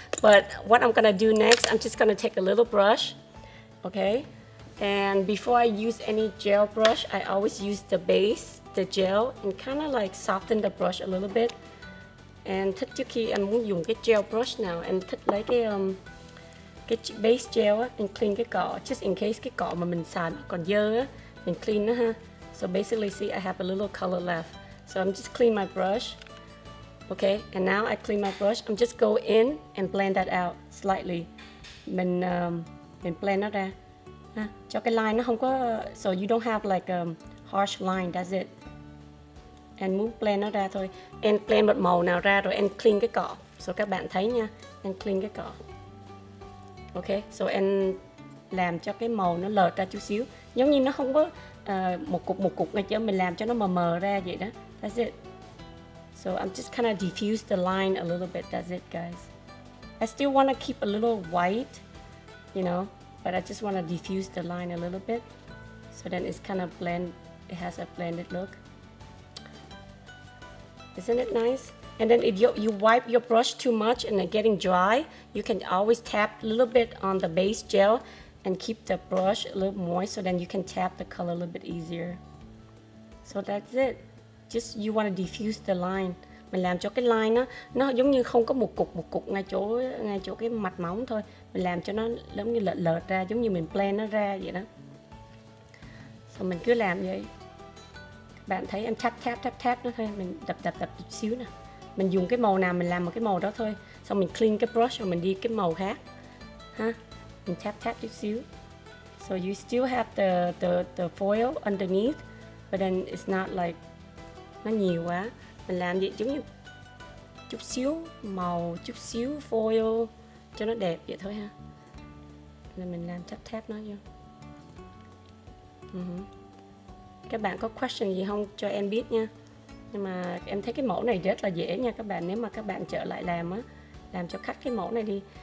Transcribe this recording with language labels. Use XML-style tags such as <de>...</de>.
<en>But what I'm gonna do next, I'm just gonna take a little brush. Okay? And before I use any gel brush, I always use the base, the gel, and kind of like soften the brush a little bit.</en> <vi>And thích trước khi em muốn dùng cái gel brush nào, em thích lấy cái base gel á,</vi> <en>and clean</en> <vi>cái cỏ.</vi> <en>Just in case</en> <vi>cái cỏ mà mình xài nó còn dơ á, mình clean nó ha.</vi> <en>So basically, see, I have a little color left. So I'm just clean my brush. Okay, and now I clean my brush. I'm just go in and blend that out slightly.</en> <vi>Mình blend nó ra.</vi> <en>Ha,</en> <vi>cho cái line nó không có,</vi> <en>so you don't have like a harsh line, that's it.</en> <vi>And muốn blend nó ra thôi. And blend một màu nào ra rồi and clean cái cỏ. So các bạn thấy nha,</vi> <en>and clean</en> <vi>cái cỏ. Okay, so and làm cho cái màu nó lợt ra chút xíu. Giống như nó không có một cục ngay chứ, mình làm cho nó mờ mờ ra vậy đó.</vi> <en>That's it. So I'm just kind of diffuse the line a little bit. That's it, guys. I still want to keep a little white, you know, but I just want to diffuse the line a little bit. So then it's kind of blend. It has a blended look. Isn't it nice? And then if you wipe your brush too much and they're getting dry, you can always tap a little bit on the base gel and keep the brush a little moist. So then you can tap the color a little bit easier. So that's it. Just you want to diffuse the line.</en> <vi>Mình làm cho cái line nó giống như không có một cục ngay chỗ cái mặt móng thôi. Mình làm cho nó giống như lợt lợt ra, giống như mình blend nó ra vậy đó. So mình cứ làm vậy. Bạn thấy em tap nó thôi, mình đập chút xíu nè. Mình dùng cái màu nào mình làm một cái màu đó thôi. Xong mình clean cái brush rồi mình đi cái màu khác. Ha. Mình tap chút xíu.</vi> <en>So you still have the foil underneath, but then it's not like</en> <vi>nó nhiều quá. Mình làm vậy giống như chút xíu màu, chút xíu foil cho nó đẹp vậy thôi ha. Nên mình làm tap nó vô. Các bạn có question gì không cho em biết nha. Nhưng mà em thấy cái mẫu này rất là dễ nha các bạn. Nếu mà các bạn trở lại làm á, làm cho khách cái mẫu này đi.</vi>